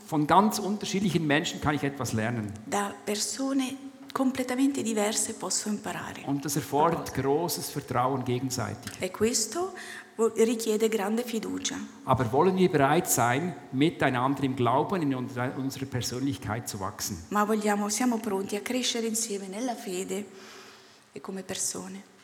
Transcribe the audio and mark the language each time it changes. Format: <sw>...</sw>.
<de>Von ganz unterschiedlichen Menschen kann ich etwas lernen.</de> <it>Da persone completamente diverse posso imparare.</it> <de>Und das erfordert großes Vertrauen gegenseitig.</de> <it>E questo richiede grande fiducia.</it> <de>Aber wollen wir bereit sein, miteinander im Glauben in unserer Persönlichkeit zu wachsen?</de> <it>Ma vogliamo, siamo pronti a crescere insieme nella fede e come persone.</it>